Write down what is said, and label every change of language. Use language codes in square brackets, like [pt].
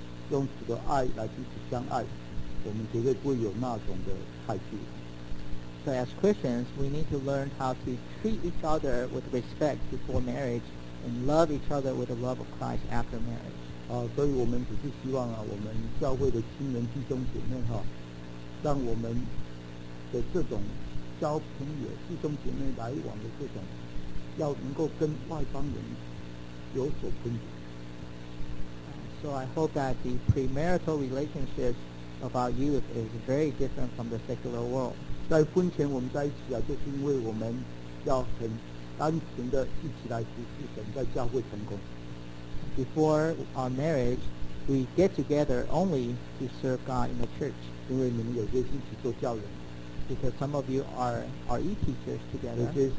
[zh] 用主的爱来彼此相爱，我们绝对不会有那种的态度。 [en] So as Christians, we need to learn how to treat each other with respect before marriage and love each other with the love of Christ after marriage. [zh] 所以我们只是希望我们教会的亲人弟兄姐妹，让我们的这种交朋友弟兄姐妹来往的这种，要能够跟外邦人有所分别。 [en] So I hope that the premarital relationship of our youth is very different from the secular world. [zh] 在婚前我们在一起啊,就是因为我们要很单纯的一起来服侍神,在教会成功。 [en] before our marriage, we get together only to serve God in the church. Because some of you are e-teachers together.